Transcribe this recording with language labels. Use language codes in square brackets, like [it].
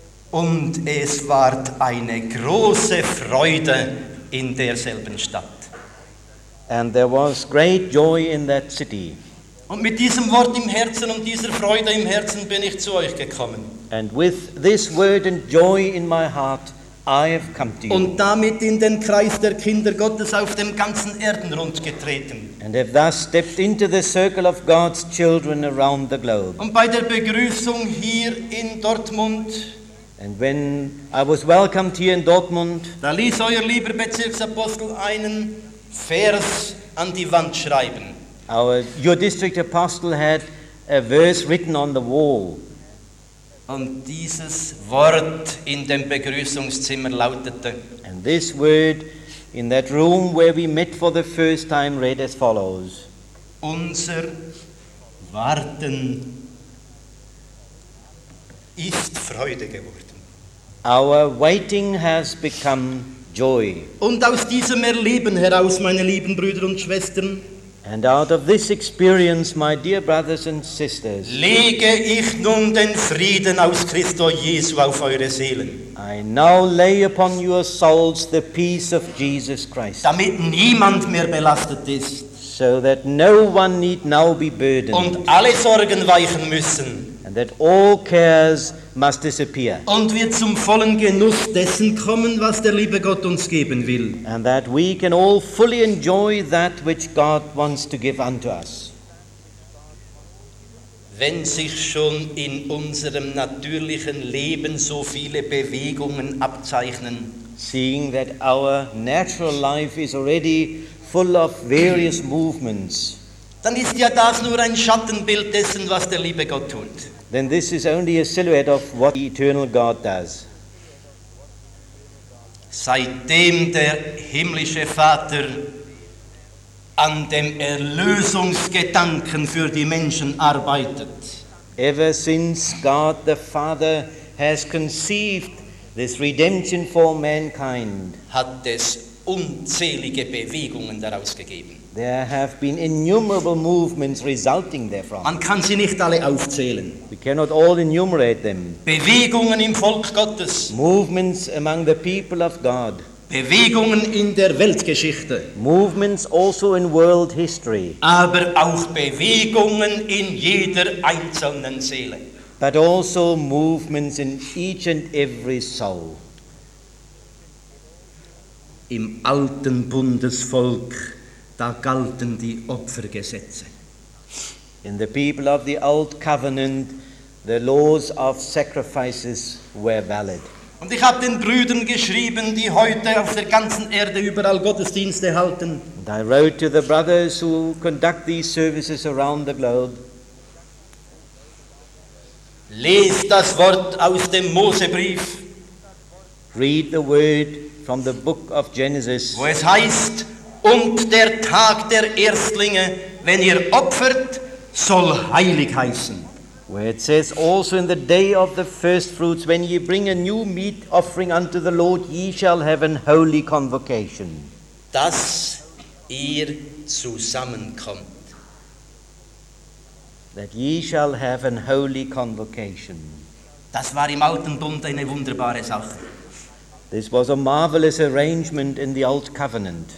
[de] Und es ward eine große Freude in derselben Stadt. [en] And there was great joy in that city. [de] Und mit diesem Wort im Herzen und dieser Freude im Herzen bin ich zu euch gekommen. [en] And with this word and joy in my heart, I have come to you. [de] Und damit in den Kreis der Kinder Gottes auf dem ganzen Erdenrund getreten. [en] And have thus stepped into the circle of God's children around the globe. [de] Und bei der Begrüßung hier in Dortmund. [en] And when I was welcomed here in Dortmund, [de] da ließ euer lieber Bezirksapostel einen Vers an die Wand schreiben. [en] Your district apostle had a verse written on the wall. [de] Und dieses Wort in dem Begrüßungszimmer lautete, [en] and this word in that room where we met for the first time read as follows. [de] Unser Warten ist Freude geworden. [en] Our waiting has become joy. [de] Und aus diesem Erleben heraus, meine lieben Brüder und Schwestern, [en] and out of this experience, my dear brothers and sisters, [de] lege ich nun den Frieden aus Christo Jesu auf eure Seelen. [en] I now lay upon your souls the peace of Jesus Christ. [de] Damit niemand mehr belastet ist. [en] So that no one need now be burdened. [de] Und alle Sorgen weichen müssen. [en] And that all cares must disappear. [de] Und wir zum vollen Genuss dessen kommen, was der liebe Gott uns geben will. [en] And that we can all fully enjoy that which God wants to give unto us. [de] Wenn sich schon in unserem natürlichen Leben so viele Bewegungen abzeichnen, [en] seeing that our natural life is already full of various movements, [de] dann ist ja das nur ein Schattenbild dessen, was der liebe Gott tut. [en] Then this is only a silhouette of what the eternal God does. [de] Seitdem der himmlische Vater an dem Erlösungsgedanken für die Menschen arbeitet. [en] Ever since God the Father has conceived this redemption for mankind, [de] hat es unzählige Bewegungen daraus gegeben. [en] There have been innumerable movements resulting therefrom. [de] Man kann sie nicht alle aufzählen. [en] We cannot all enumerate them. [de] Bewegungen im Volk Gottes. [en] Movements among the people of God. [de] Bewegungen in der Weltgeschichte. [en] Movements also in world history. [de] Aber auch Bewegungen in jeder einzelnen Seele. [en] But also movements in each and every soul. [de] Im alten Bundesvolk, da galten die Opfergesetze. [en] In the people of the old covenant, The laws of sacrifices were valid. [de] Und ich habe den Brüdern geschrieben, die heute auf der ganzen Erde überall Gottesdienste halten. [en] And I wrote to the brothers who conduct these services around the globe. [de] Lest das Wort aus dem Mosebrief. [en] Read the word from the book of Genesis. [de] Wo es heißt, und der Tag der Erstlinge, wenn ihr opfert, soll heilig heißen. [en] Where it says, also in the day of the first fruits, when ye bring a new meat offering unto the Lord, ye shall have an holy convocation. [de] Dass ihr zusammenkommt. [en] That ye shall have an holy convocation. [de] Das war im Alten Bund eine wunderbare Sache. [en] This was a marvelous arrangement in the Old Covenant.